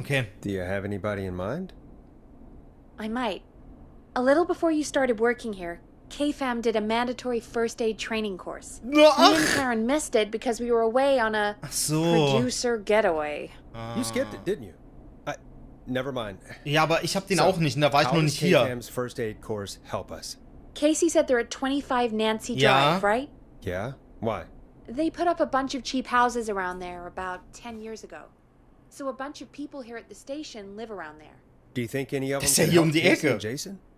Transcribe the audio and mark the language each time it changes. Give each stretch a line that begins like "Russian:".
English: Okay. Do you have anybody in mind? I might. A little before you started working here, KFAM did a mandatory first aid training course. No, me and Karen missed it because we were away on a producer getaway. You skipped it, didn't you? Never mind.
German: Ja, aber ich hab den auch nicht, und da war ich noch nicht hier.
English: How does KFAM's first aid course help us? Casey said they're at 25 Nancy Drive, right? Yeah. Why? They put up a bunch of cheap houses around there about 10 years ago. So a bunch of people here at the station live around there. Do you think any of them could help Casey and Jason?